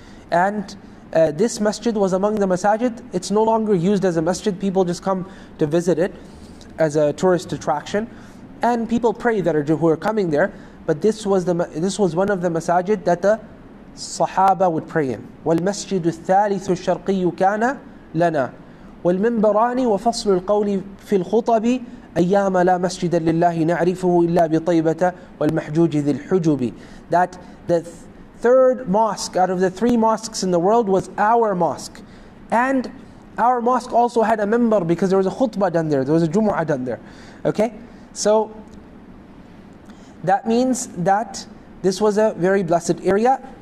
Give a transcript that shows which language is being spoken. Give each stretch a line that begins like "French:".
English: And this masjid was among the masajid. It's no longer used as a masjid. People just come to visit it as a tourist attraction. And people pray that are who are coming there. But this was one of the masajid that the Sahaba would pray in.
Arabic: والمسجد الثالث الشرقي كان لنا والمنبران وفصل القول في الخطب أيام لا مسجد لله نعرفه إلا بطيبة والمحجوج ذي الحجوب.
English: That the third mosque out of the three mosques in the world was our mosque. And our mosque also had a minbar, because there was a khutbah done there. There was a jumu'ah done there. Okay? So that means that this was a very blessed area.